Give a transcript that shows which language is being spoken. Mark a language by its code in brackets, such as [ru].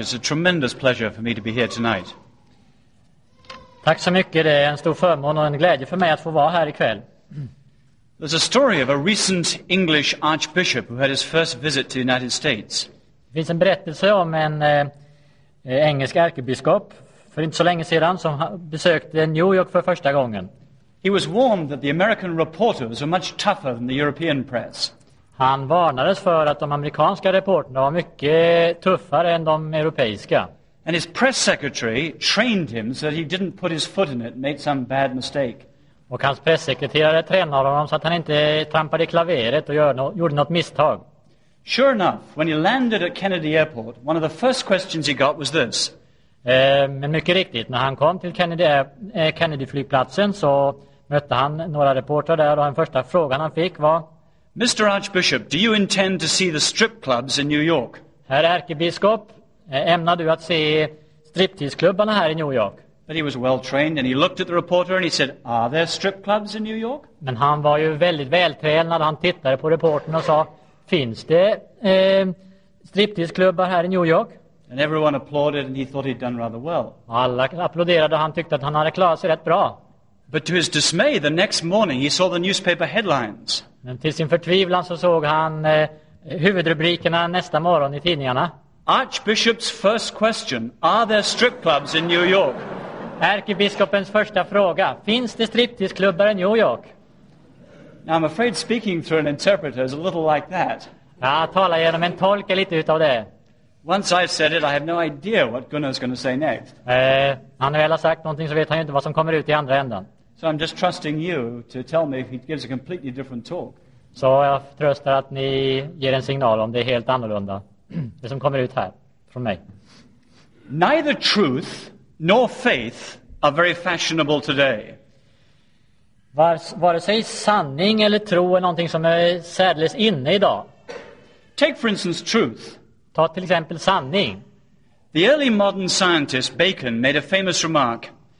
[en] It's a tremendous pleasure for me to be here tonight. [sv] Tack så mycket. Det är en stor förmån och en glädje för mig att få vara här ikväll. [en] There's a story of a recent English archbishop who had his first visit to the United States. [sv] Det finns en berättelse om en engelsk ärkebiskop för inte så länge sedan som besökte New York för första gången. [en] He was warned that the American reporters were much tougher than the European press. [sv] Han varnades för att de amerikanska reporterna var mycket tuffare än de europeiska. [en] And his press secretary trained him so that he didn't put his foot in it and made some bad mistake. [sv] Och hans pressekreterare tränade honom så att han inte trampade i klaveret och gjorde något misstag. [en] Sure enough, when he landed at Kennedy Airport, one of the first questions he got was this. [sv] Men mycket riktigt, när han kom till Kennedy-flygplatsen så mötte han några reporter där och den första frågan han fick var: [en] Mr. Archbishop, do you intend to see the strip clubs in New York? [sv] Herr ärkebiskop, ämnar du att se striptease-klubbarna här i New York? [en] But he was well trained and he looked at the reporter and he said, are there strip clubs in New York? [sv] Men han var ju väldigt vältränad, han tittade på reportern och sa, finns det striptease-klubbar här i New York? [en] And everyone applauded and he thought he'd done rather well. [sv] Alla applåderade och han tyckte att han hade klarat sig rätt bra. [en] But to his dismay, the next morning he saw the newspaper headlines. [sv] Men till sin förtvivlan så såg han huvudrubrikerna nästa morgon i tidningarna. [en] Archbishop's first question, are there strip clubs in New York? [sv] Ärkebiskopens första fråga, finns det striptease-klubbar i New York? [en] Now I'm afraid speaking through an interpreter is a little like that. [sv] Ja, tala genom en tolk lite utav det. [en] Once I've said it, I have no idea what Gunnar's going to say next. [sv] Han har väl sagt någonting så vet han ju inte vad som kommer ut i andra änden. [en] So I'm just trusting you to tell me if he gives a completely different talk. [sv] Så jag tröstar att ni ger en signal om det är helt annorlunda. Det som kommer ut här från mig. [en] Neither truth nor faith are very fashionable today. [sv] Vare sig sanning eller tro är någonting som är särdeles inne idag. [en] Take for instance truth. [sv] Ta till exempel sanning. [en] The early modern scientist Bacon made a famous remark.